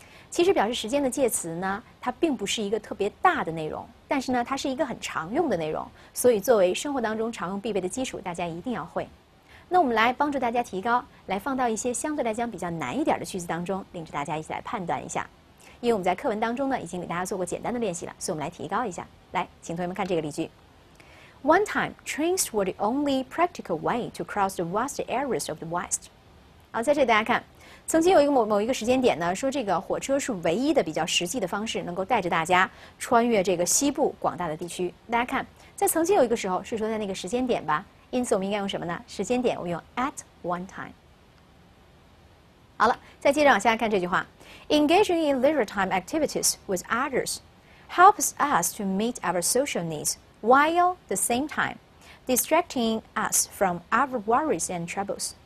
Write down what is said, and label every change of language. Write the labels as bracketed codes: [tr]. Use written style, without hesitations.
[zh] 其实表示时间的介词呢，它并不是一个特别大的内容，但是呢它是一个很常用的内容，所以作为生活当中常用必备的基础，大家一定要会。那我们来帮助大家提高，来放到一些相对来讲比较难一点的句子当中，领着大家一起来判断一下。因为我们在课文当中呢已经给大家做过简单的练习了，所以我们来提高一下。来，请同学们看这个例句。 [en] One time, trains were the only practical way to cross the vast areas of the West。 [zh] 好，在这里大家看，曾经有一个某一个时间点呢，说这个火车是唯一的比较实际的方式，能够带着大家穿越这个西部广大的地区。大家看，在曾经有一个时候是说在那个时间点吧，因此我们应该用什么呢？时间点我用 [en] at one time。 [zh] 好了，再接着往下看这句话。 [en] Engaging in leisure time activities with others helps us to meet our social needs while at the same time distracting us from our worries and troubles。